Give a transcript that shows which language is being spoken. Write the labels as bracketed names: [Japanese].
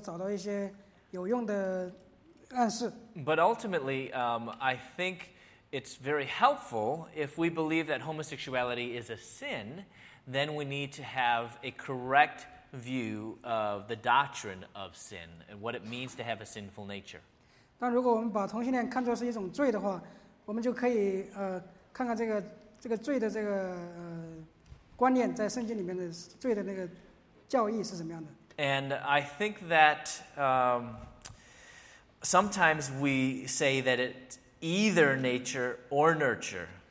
[Chinese] 从科学里面我们有时候能够找到一些有用的暗示。 [English] But ultimately, I think it's very helpful if we believe that homosexuality is a sin, then we need to have a correct view of the doctrine of sin and what it means to have a sinful nature. [Chinese] 但如果我们把同性恋看作是一种罪的话，我们就可以看看这个罪的这个观念在圣经里面的罪的那个教义是怎么样的。 [English] And I think that sometimes we say that it's either nature or nurture.